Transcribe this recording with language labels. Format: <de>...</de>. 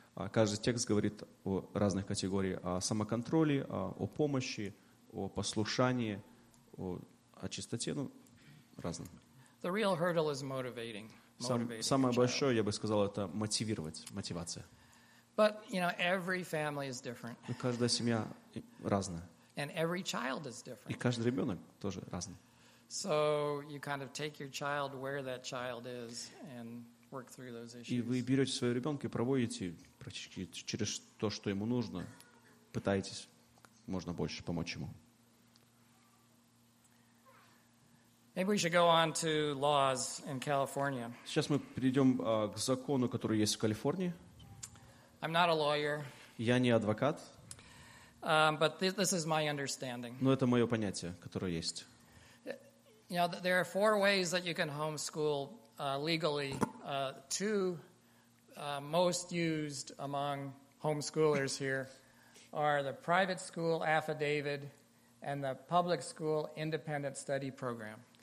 <ru>Каждый текст говорит о разных категориях, о самоконтроле, о помощи, о послушании, о чистоте, ну, разном.</ru> <en>The real hurdle is motivating.</en> <ru>Самое большое, я бы сказал, это мотивировать, мотивация.</ru> <en>But, you know, every family is different.</en> <ru>И каждая семья разная.</ru> <en>And every child is different.</en> <ru>И каждый ребенок тоже разный.</ru> <en>So you kind of take your child where that child is and work through those issues.</en> <ru>И вы берете своего ребенка и проводите практически через то, что ему нужно, пытаетесь можно больше помочь ему.</ru> <en>Maybe we should go on to laws in California.</en> <ru>Сейчас мы перейдем к закону, который есть в Калифорнии.</ru> <en>I'm not a lawyer.</en> <ru>Я не адвокат.</ru> <en>But this is my understanding.</en> <ru>Но это мое понятие, которое есть.</ru> <en>You know, there are four ways that you can homeschool legally. Two most used among homeschoolers here are the private school affidavit and the public school independent study program.</en>